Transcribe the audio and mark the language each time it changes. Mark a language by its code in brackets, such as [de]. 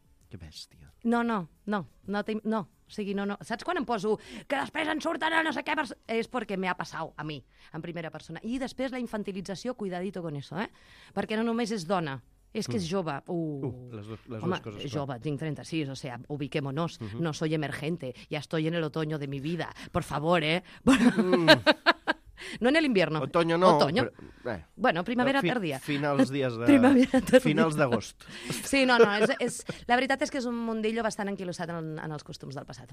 [ca] Que bèstia. No. O sigui, no. Saps quan em poso que després en surten a no sé què? És perquè m'ha passat a mi, en primera persona. I després la infantilització, [es] cuidadito con eso, [ca] eh? Perquè no només és dona, és que és jove. Les dues coses. Home, jove, tinc 36, [es] o sea, ubiquémonos. [ca] Uh-huh. [es] No soy emergente, ya estoy en el otoño de mi vida. Por favor, eh? No en el invierno. Otoño no. Otoño. Bueno, primavera tardía. [ca] Finals d'agost. Sí, no. És, la veritat és que és un mundillo bastant anquilosat en els costums del passat.